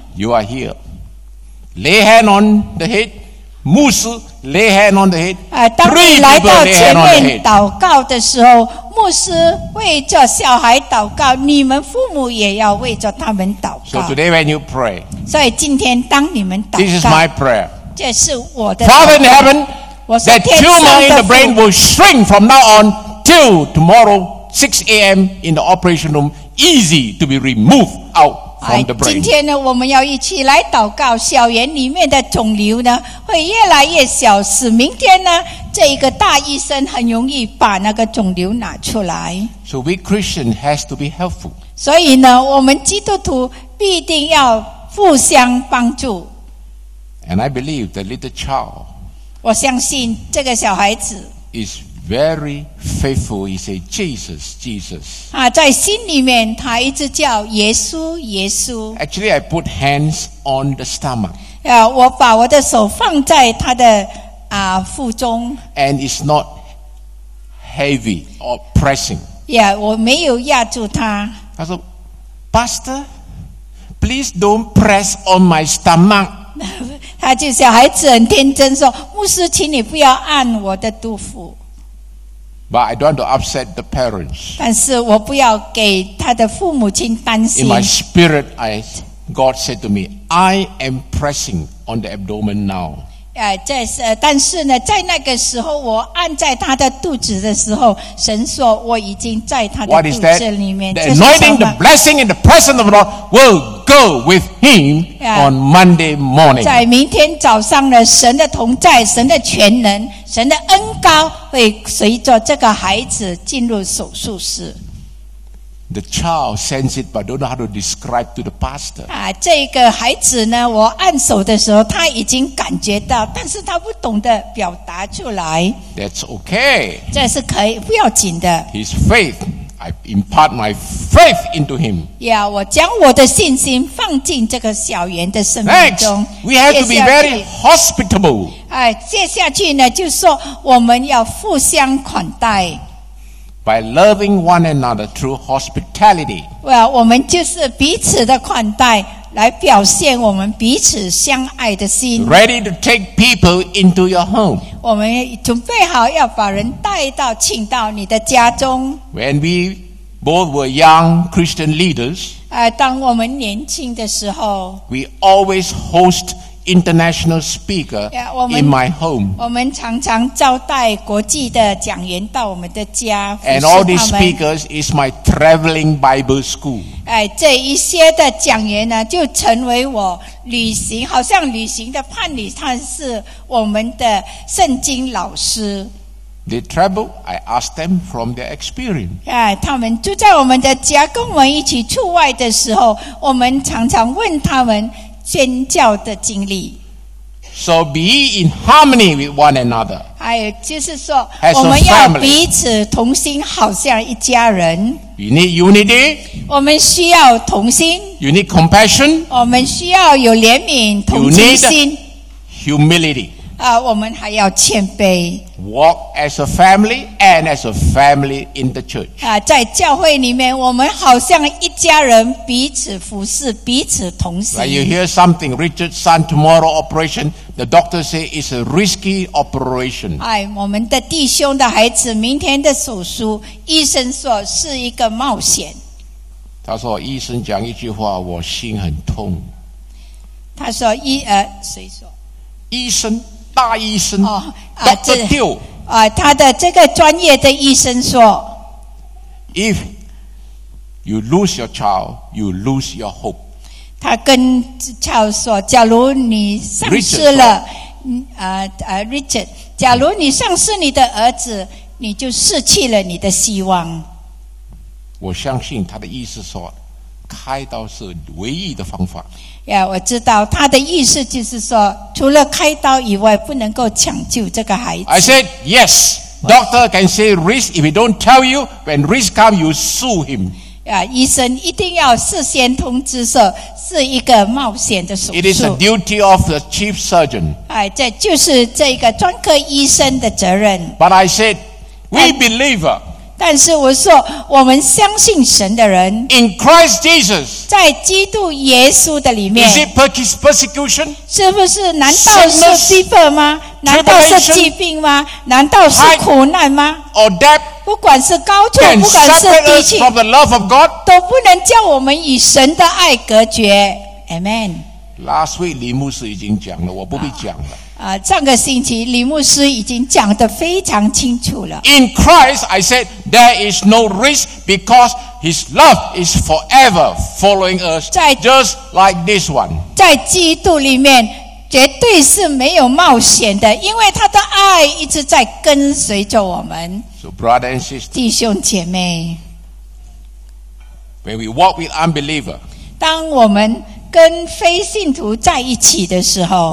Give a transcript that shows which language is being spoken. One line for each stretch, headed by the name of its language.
English: You are here. Lay hand on the head. 牧师 lay hand on the head.
Chinese: 当你来到前面祷告的时候，牧师为着小孩祷告，你们父母也要为着他们祷告。
English: So today when you pray,
Chinese: 所以今天当你们祷告，
English: This is my prayer.
Chinese: 这是我的
English: Father in heaven,That tumor in the brain will shrink from now on till tomorrow 6 a.m. in the operation room, easy to be removed out from the brain.
Chinese: 今天呢，我们要一起来祷告，小圆里面的肿瘤呢会越来越小，使明天呢这一个大医生很容易把那个肿瘤拿出来。
English: So we Christian has to be helpful.
Chinese: 所以呢，我们基督徒必定要互相帮助。
English: And I believe the little child.
Chinese: 我相信这个小孩子
English: is very faithful. He said, "Jesus, Jesus."
Chinese: 在心里面他一直叫耶稣，耶稣。
English: Actually, I put hands on the stomach.
Chinese: 我把我的手放在他的腹中。
English: And it's not heavy or pressing.
Chinese: 我没有压住他。他说
English: "Pastor, please don't press on my stomach."
Chinese: 他就小孩子很天真说，牧师请你不要按我的肚腹。
English: But I don't want to upset the parents.
Chinese: 但是我不要给他的父母亲担心。
English: In my spirit, God said to me, I am pressing on the abdomen now.
Chinese: 但是呢，在那个时候，我按在他的肚子的时候，神说我已经在他的肚子里面。
English: What is that? The anointing, the blessing, and the presence of the Lord will go with him on Monday morning.
Chinese: 在明天早上呢，神的同在，神的全能，神的恩膏会随着这个孩子进入手术室。
English: The child sensed it, but don't know how to describe to the pastor.
Chinese: 这个孩子呢，我按手的时候，他已经感觉到，但是他不懂得表达出来。
English: That's okay.
Chinese: 这是可以，不要紧的。
English: His faith, I impart my faith into him.
Chinese: Yeah, 我将我的信心放进这个小园的生命中。
English: Next, we have to be very hospitable.
Chinese: 哎，接下去呢，就是说我们要互相款待。
English: By loving one another through hospitality.
Chinese: Well, 我们就是彼此的款待，来表现我们彼此相爱的心。
English: Ready to take people into your home.
Chinese: 我们准备好要把人带到，请到你的家中。
English: When we both were young Christian leaders,
Chinese: 当我们年轻的时候，
English: we always host international speaker in my home.
Chinese: 我们常常招待国际的讲员到我们的家。
English: And all these speakers is my traveling Bible school.
Chinese: 这一些的讲员呢，就成为我旅行，好像旅行的伴侣，他是我们的圣经老师。
English: They travel, I ask them from their experience.
Chinese: 他们住在我们的家，跟我们一起出外的时候，我们常常问他们宣教的经历。
English: So be in harmony with one another.
Chinese: 还有就是说，我们要彼此同心，好像一家人。
English: We need unity.
Chinese: 我们需要同心。
English: You need compassion.
Chinese: 我们需要有怜悯、同情心。
English: Humility.
Chinese: 我们还要谦卑。
English: Walk as a family and as a family in the church.
Chinese: 在教会里面，我们好像一家人，彼此服侍，彼此同行。
English: Like you hear something, Richard's son tomorrow operation, the doctor say it's a risky operation.
Chinese: 我们的弟兄的孩子明天的手术，医生说是一个冒险。他说医生讲一句话，我心很痛。他说谁说？医生。大医生、Dr. Teo 他的这个专业的医生说
English: If you lose your child, you lose your hope.
Chinese: 他跟 Teo 说，假如你丧失了 Richard, 假如你丧失你的儿子，你就失去了你的希望。我相信他的意思说，开刀是唯一的方法。我知道他的意思就是说，除了开刀以外，不能够抢救这个孩子。
English: I said yes. Doctor can say risk. If he don't tell you, when risk come, you sue him.
Chinese: 医生一定要事先通知说是一个冒险的手术。
English: It is the duty of the chief surgeon.
Chinese: 这就是这个专科医生的责任。
English: But I said, we believer.
Chinese: 但是我说，我们相信神的人
English: ，In Christ Jesus，
Chinese: 在基督耶稣的里面
English: ，Is it persecution？
Chinese: 是不是？难道是逼迫吗？难道是疾病吗？难道是苦难吗
English: ？Or death？
Chinese: 不管是高处，不管是低处
English: ，From the love of God，
Chinese: 都不能叫我们与神的爱隔绝。
English: Amen。 Last week，
Chinese: 李牧师已经讲了，我不必讲了。上个星期李牧师已经讲得非常清楚了。
English: In Christ, I said there is no risk because His love is forever following us, just like this one.
Chinese: 在基督里面绝对是没有冒险的，因为他的爱一直在跟随着我们。
English: So brother and sister,
Chinese: 弟兄姐妹
English: ，When we walk with unbeliever,
Chinese: 当我们跟非信徒在一起的时候